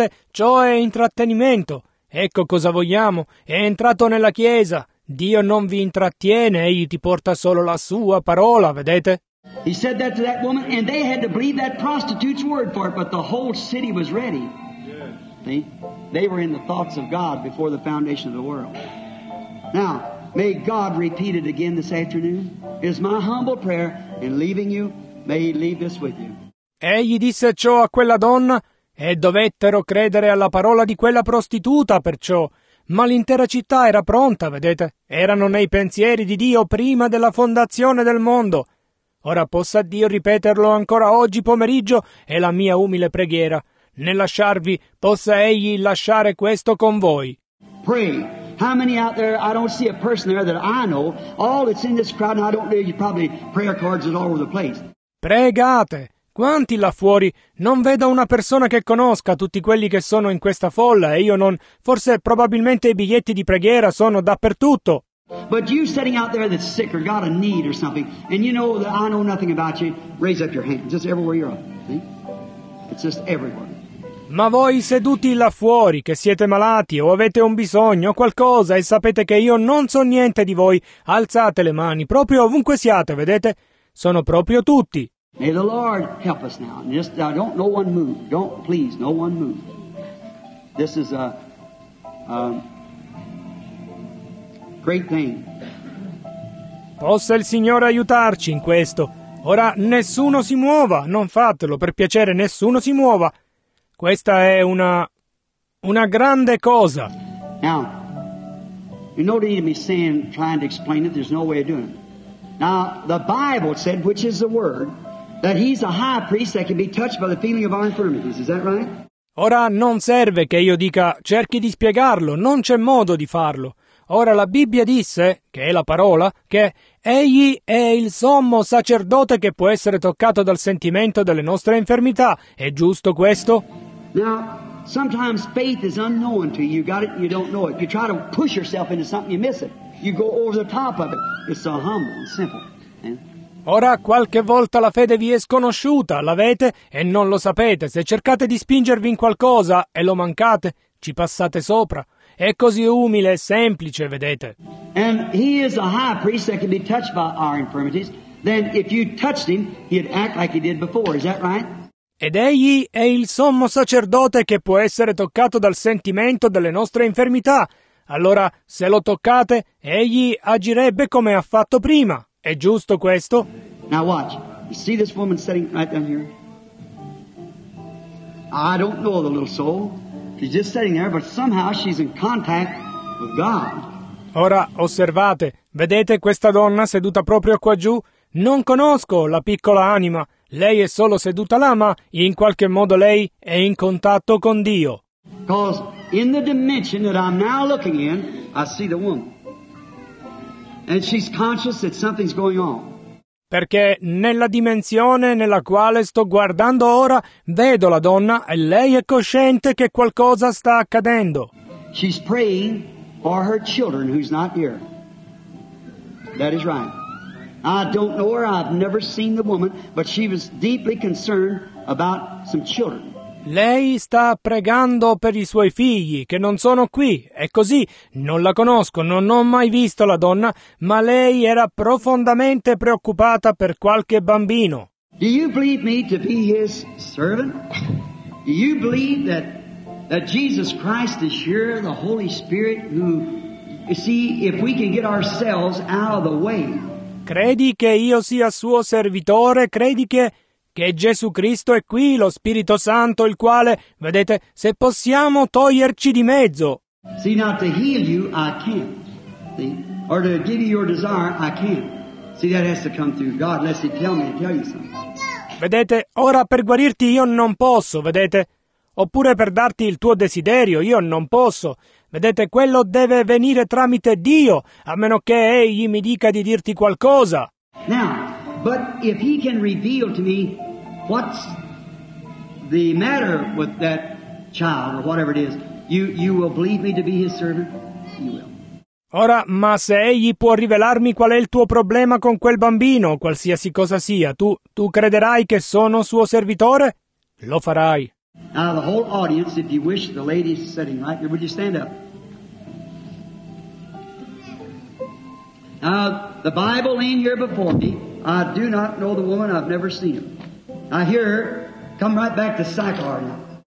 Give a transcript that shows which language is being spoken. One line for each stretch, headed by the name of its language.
Italian: Ciò è intrattenimento. Ecco cosa vogliamo. È entrato nella chiesa. Dio non vi intrattiene, egli ti porta solo la sua parola, vedete?
English: He said that to that woman, and they had to believe that prostitute's word for it, but the whole city was ready. See? They were in the thoughts of God before the foundation of the world. Now, may God repeat it again this afternoon. It is my humble prayer in leaving you, may he leave this with you.
Italian: Egli disse ciò a quella donna, e dovettero credere alla parola di quella prostituta perciò. Ma l'intera città era pronta, vedete? Erano nei pensieri di Dio prima della fondazione del mondo. Ora possa Dio ripeterlo ancora oggi pomeriggio, è la mia umile preghiera. Nel lasciarvi, possa Egli lasciare questo con voi.
English: Pray. How many out there, I don't see a person there that I know, all that's in this crowd, and I don't know, you probably prayer cards is all over the place.
Italian: Pregate! Quanti là fuori? Non vedo una persona che conosca tutti quelli che sono in questa folla, e io non, forse probabilmente i biglietti di preghiera sono dappertutto.
English: But you sitting out there that's sick or got a need or something, and you know that I know nothing about you, raise up your hand, just everywhere you're up, see? It's just everywhere.
Italian: Ma voi seduti là fuori, che siete malati o avete un bisogno o qualcosa e sapete che io non so niente di voi, alzate le mani, proprio ovunque siate, vedete? Sono proprio tutti.
English: May the Lord help us now. Just, don't no one move. Don't, please, no one move. This is a great thing.
Italian: Possa il Signore aiutarci in questo. Ora nessuno si muova, non fatelo, per piacere, nessuno si muova. Questa è una grande cosa.
English: Now, you know what he's saying, trying to explain it, there's no way of doing it. Now, the Bible said, which is the word, that he's a high priest that can be touched by the feeling of our infirmities, is that right?
Italian: Ora non serve che io dica, cerchi di spiegarlo, non c'è modo di farlo. Ora la Bibbia disse, che è la parola, che egli è il sommo sacerdote che può essere toccato dal sentimento delle nostre infermità. È giusto questo?
English: Now, sometimes faith is unknown to you. You got it, you don't know it. You try to push yourself into something, you miss it. You go over the top of it. It's so humble and simple.
Italian: Ora, qualche volta la fede vi è sconosciuta, l'avete e non lo sapete. Se cercate di spingervi in qualcosa e lo mancate, ci passate sopra. È così umile e semplice, vedete.
English: And he is a high priest that can be touched by our infirmities. Then if you touched him, he'd act like he did before, is that right?
Italian: Ed egli è il sommo sacerdote che può essere toccato dal sentimento delle nostre infermità. Allora, se lo toccate, egli agirebbe come ha fatto prima. È giusto questo?
English: Now watch. You see this woman sitting right down here? I don't know the little soul. She's just sitting there, but somehow she's in contact with God.
Italian: Ora osservate, vedete questa donna seduta proprio qua giù? Non conosco la piccola anima. Lei è solo seduta là, ma in qualche modo lei è in contatto con Dio.
English: Because in the dimension that I'm now looking in, I see the woman. And she's conscious that something's going on.
Italian: Perché nella dimensione nella quale sto guardando ora, vedo la donna e lei è cosciente che qualcosa sta accadendo.
English: She's praying for her children who's not here. That is right. I don't know her, I've never seen the woman, but she was deeply concerned about some children.
Italian: Lei sta pregando per i suoi figli, che non sono qui. È così, non la conosco, non ho mai visto la donna, ma lei era profondamente preoccupata per qualche bambino.
English: Do you believe me to be his servant? Do you believe that Jesus Christ is here, the Holy Spirit, who, you see, if we can get ourselves out of the way.
Italian: Credi che io sia suo servitore? Credi che Gesù Cristo è qui, lo Spirito Santo, il quale, vedete, se possiamo toglierci di mezzo.
English: See, now to heal you, I can't. See? Or to give you your desire, I can't. See, that has to come through God, lest he tell me to tell you something.
Italian: Vedete, ora per guarirti io non posso, vedete? Oppure per darti il tuo desiderio io non posso. Vedete, quello deve venire tramite Dio, a meno che egli mi dica di dirti qualcosa.
English: Now, but if he can reveal to me what's the matter with that child or whatever it is, you will believe me to be his servant? You will.
Italian: Ora, ma se egli può rivelarmi qual è il tuo problema con quel bambino, qualsiasi cosa sia, tu crederai che sono suo servitore? Lo farai.
English: Now the whole audience, if you wish, the ladies sitting right there, would you stand up? Now the Bible lean here before me. I do not know the woman, I've never seen her. I hear her, come right back to Sychar now.